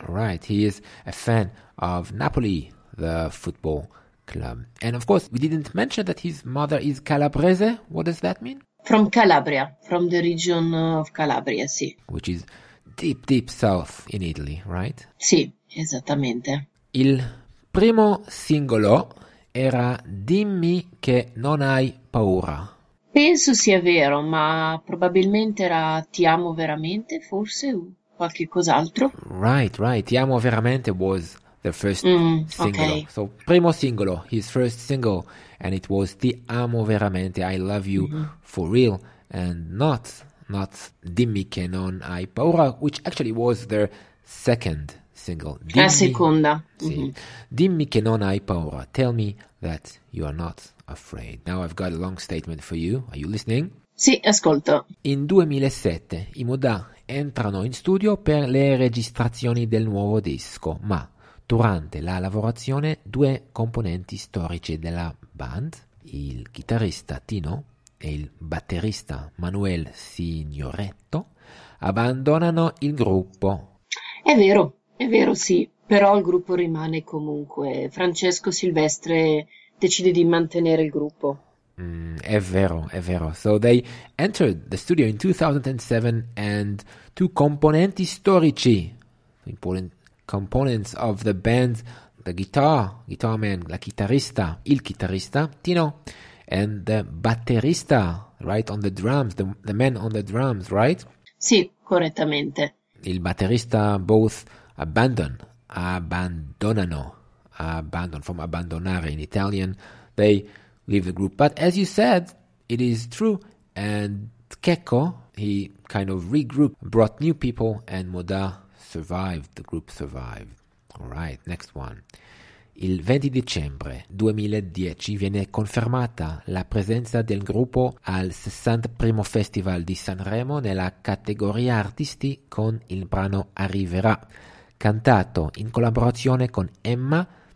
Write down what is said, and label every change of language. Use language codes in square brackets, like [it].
[en] Right, he is a fan of Napoli, the football club. And of course, we didn't mention that his mother is calabrese. What does that mean? From Calabria, from the region of Calabria, sì. Which is deep, deep south in Italy, right? [it] Sì, esattamente. Il primo singolo era Dimmi che non hai paura. Penso sia vero, ma probabilmente era Ti amo veramente, forse qualche cos'altro. [en] Right, right. Ti amo veramente was the first single. Okay. So, primo singolo, his first single, and it was Ti amo veramente, I love you for real, and not Dimmi che non hai paura, which actually was their second single. [it] Dimmi, la seconda. Sì. [en] Mm-hmm. Dimmi che non hai paura. Tell me that you are not afraid. Now I've got a long statement for you. Are you listening? [it] Sì, ascolto. In 2007, i Moda entrano in studio per le registrazioni del nuovo disco, ma durante la lavorazione due componenti storici della band, il chitarrista Tino e il batterista Manuel Signoretto, abbandonano il gruppo. È vero sì, però il gruppo rimane comunque. Francesco Silvestre decide di mantenere il gruppo. È vero. [en] So they entered the studio in 2007 and two [it] componenti storici, [en] the important components of the band, the chitarrista Tino, and the batterista, right, on the drums, the man on the drums, right? [it] Sì, correttamente. Il batterista [en] both abbandon from abbandonare in Italian. They leave the group. But as you said, it is true. And Checco, he kind of regrouped, brought new people, and Moda survived. The group survived. All right, next one. [it] Il 20 dicembre 2010 viene confermata la presenza del gruppo al 61 Festival di Sanremo nella categoria artisti con il brano Arriverà, cantato in collaborazione con Emma.